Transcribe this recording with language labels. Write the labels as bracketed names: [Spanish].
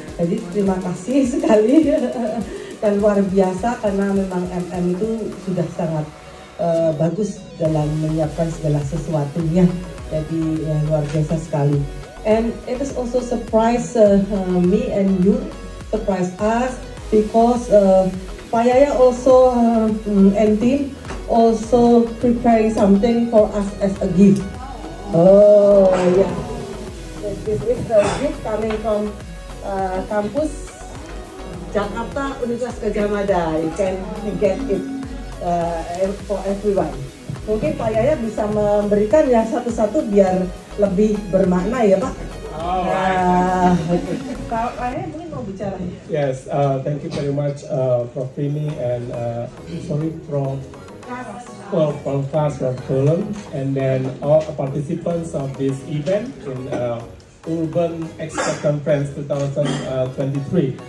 [Indonesian] Jadi terima kasih sekali dan luar biasa karena memang MM itu sudah sangat bagus dalam menyiapkan segala sesuatunya, jadi luar biasa sekali. [English] And it is also surprise me and you, surprise us, because Pak Yaya also and team also preparing something for us as a gift. Oh yeah, this is the gift coming from Kampus Jakarta Universitas Gajah Mada. You can get it. For everyone. [Indonesian] Mungkin Pak Yaya bisa memberikan yang satu-satu biar lebih bermakna ya Pak. Oh, Pak Yaya mungkin mau bicara. [English] Yes, thank you very much Prof. Primi and sorry Prof. Well, from class from Poland, and then all participants of this event in Urban Expert Conference 2023.